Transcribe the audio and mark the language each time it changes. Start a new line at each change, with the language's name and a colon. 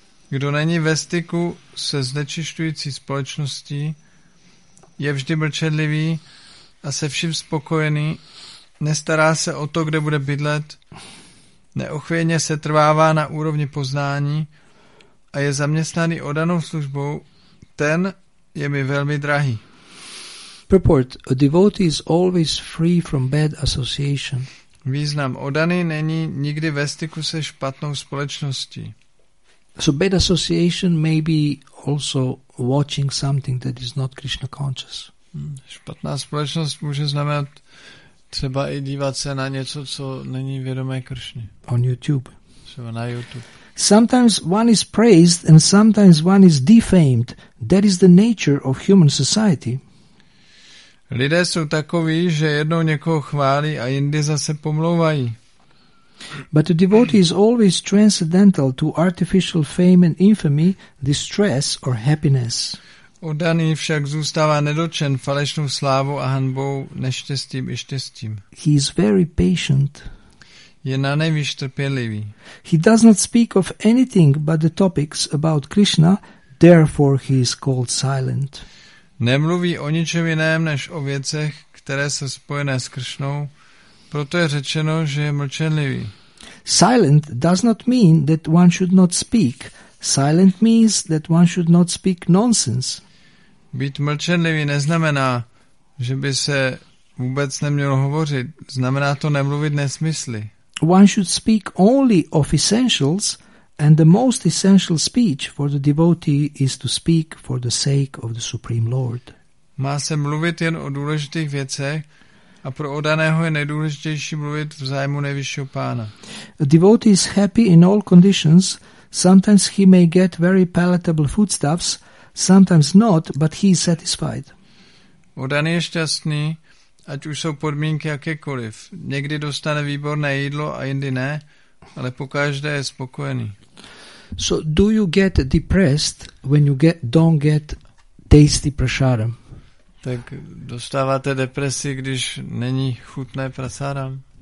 Czech: kdo není ve styku se znečišťující společností, je vždy mlčenlivý a se vším spokojený, nestará se o to, kde bude bydlet, neochvějně se trvává na úrovni poznání a je zaměstnaný odanou službou, ten je mi velmi drahý.
English: Purport: a devotee is always free from bad association.
Czech: Význam: odaný není nikdy ve styku se špatnou společností.
English: So bad association may be also watching something that is not Krishna conscious.
Czech: Špatná společnost může znamenat třeba i dívat se na něco, co není vědomé Kršny.
English: On YouTube.
Czech: Třeba na YouTube.
English: Sometimes one is praised and sometimes one is defamed. That is the nature of human society.
Czech: Lidé jsou takoví, že jednou někoho chválí a jindy zase pomlouvají.
English: But a devotee is always transcendental to artificial fame and infamy, distress or happiness.
Czech: Oddaný však zůstává nedotčen falešnou slávou a hanbou, neštěstím i štěstím.
English: He is very patient.
Czech: Je na nejvíc trpělivý.
English: He does not speak of anything but the topics about Krishna, therefore he is called silent.
Czech: Nemluví o ničem jiném než o věcech, které jsou spojené s Krishnou, proto je řečeno, že je mlčenlivý.
English: Silent does not mean that one should not speak. Silent means that one should not speak nonsense.
Czech: Být mlčenlivý neznamená, že by se vůbec nemělo hovořit. Znamená to nemluvit nesmysly.
English: One should speak only of essentials, and the most essential speech for the devotee is to speak for the sake of the Supreme Lord.
Czech: Má se mluvit jen o důležitých věcech a pro odaného je nejdůležitější mluvit v zájmu nejvyššího pána.
English: A devotee is happy in all conditions. Sometimes he may get very palatable foodstuffs, sometimes not, but he is satisfied.
Czech: Odaný je šťastný, ať už jsou podmínky jakékoliv. Někdy dostane výborné jídlo a jindy ne, ale pokaždé je spokojený.
English: So do you get depressed when you don't get tasty prasadam?
Czech: Tak dostáváte depresi, když není chutné prasadam?